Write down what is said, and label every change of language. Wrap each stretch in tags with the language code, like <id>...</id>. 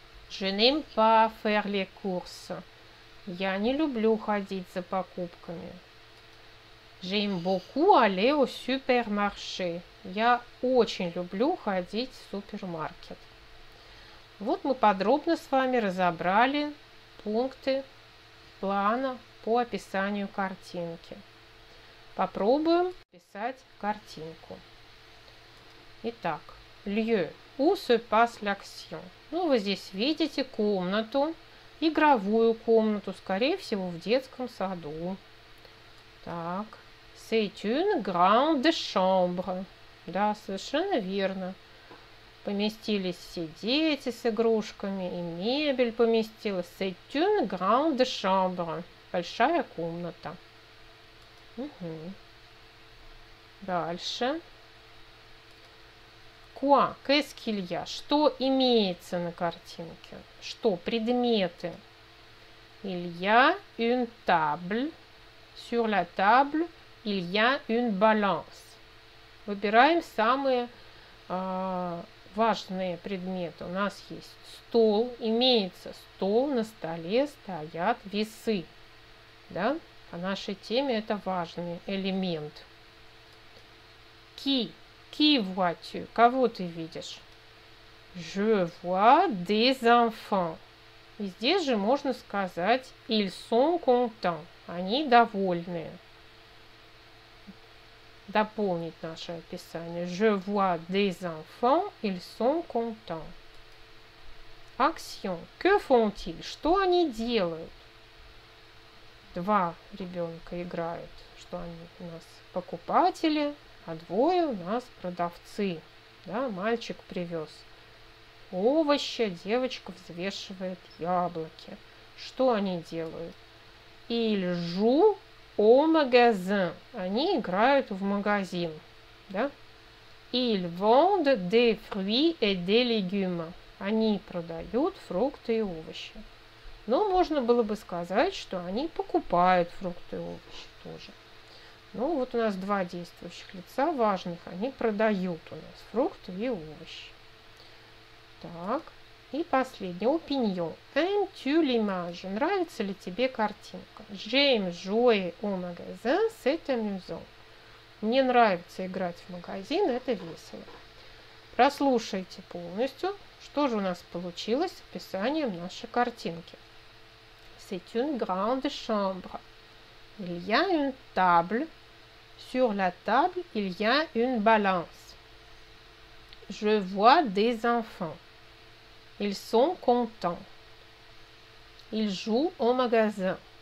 <fr>Je n'aime pas faire les courses.</fr> <ru>Я не люблю ходить за покупками.</ru> <fr>J'aime beaucoup aller au supermarché.</fr> <ru>Я очень люблю ходить в супермаркет. Вот мы подробно с вами разобрали пункты плана по описанию картинки. Попробуем писать картинку. Итак,</ru> <fr>lieu, où se passe l'action?</fr> <ru>Ну, вы здесь видите комнату, игровую комнату, скорее всего, в детском саду. Так,</ru> <fr>c'est une grande chambre.</fr> <ru>Да, совершенно верно. Поместились все дети с игрушками, и мебель поместилась.</ru> <fr>C'est une grande chambre.</fr> <ru>Большая комната. Угу. Дальше.</ru> <fr>Quoi? Qu'est-ce qu'il y a?</fr> <ru>Что имеется на картинке? Что? Предметы.</ru> <fr>Il y a une table. Sur la table il y a une balance.</fr> <ru>Выбираем самые важные предметы. У нас есть стол. Имеется стол. На столе стоят весы. Да? По нашей теме это важный элемент.</ru> <fr>Qui vois-tu?</fr> <ru>Кого ты видишь?</ru> <fr>Je vois des enfants.</fr> <ru>И здесь же можно сказать</ru> <fr>ils sont contents.</fr> <ru>Они довольны. Дополнить наше описание.</ru> <fr>Je vois des enfants, ils sont contents. Action. Que font-ils?</fr> <ru>Что они делают? Два ребенка играют, что они у нас покупатели, а двое у нас продавцы. Да, мальчик привез овощи, девочка взвешивает яблоки. Что они делают?</ru> <fr>Ils jouent au magasin.</fr> <ru>Они играют в магазин. Да?</ru> <fr>Ils vendent des fruits et des légumes.</fr> <ru>Они продают фрукты и овощи. Но можно было бы сказать, что они покупают фрукты и овощи тоже. Ну, вот у нас два действующих лица важных. Они продают у нас фрукты и овощи. Так, и последнее. Opinion.</ru> <fr>Aimes-tu l'image?</fr> <ru>Нравится ли тебе картинка?</ru> <fr>J'aime jouer au magasin, c'est amusant.</fr> <ru>Мне нравится играть в магазин, это весело. Прослушайте полностью, что же у нас получилось с описанием нашей картинки.</ru> <fr>C'est une grande chambre. Il y a une table. Sur la table, il y a une balance. Je vois des enfants. Ils sont contents. Ils jouent au magasin.</fr>